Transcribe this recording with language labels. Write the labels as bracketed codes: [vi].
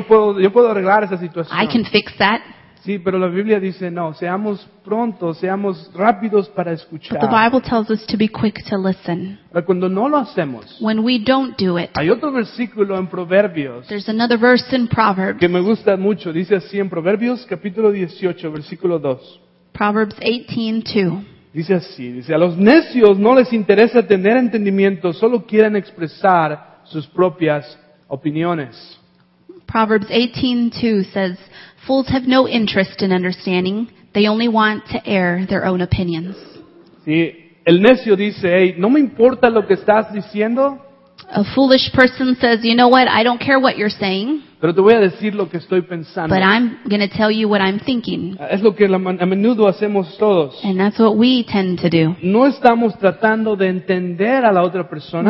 [es] Yo puedo arreglar esa situación. [en] I can fix that. [es] Sí, pero la Biblia dice no, seamos prontos, seamos rápidos para escuchar. [en] But the Bible tells us to be quick to listen. [es] Pero cuando no lo hacemos, [en] when we don't do it, [es] hay otro versículo en Proverbios. [en] There's another verse in Proverbs. [es] Que me gusta mucho, dice así en Proverbios, capítulo 18, versículo 2. [en] Proverbs 18:2. [es] Dice así, dice, a los necios no les interesa tener entendimiento, solo quieren expresar sus propias opiniones. [en] Proverbs 18:2 says, fools have no interest in understanding. They only want to air their own opinions. [es] Sí, el necio dice, hey, no me importa lo que estás diciendo. [en] A foolish person says, you know what, I don't care what you're saying. [es] Pero te voy a decir lo que estoy pensando. [en] But I'm going to tell you what I'm thinking. [es] Es lo que a menudo hacemos todos. [en] And that's what we tend to do. [es] No estamos tratando de entender a la otra persona.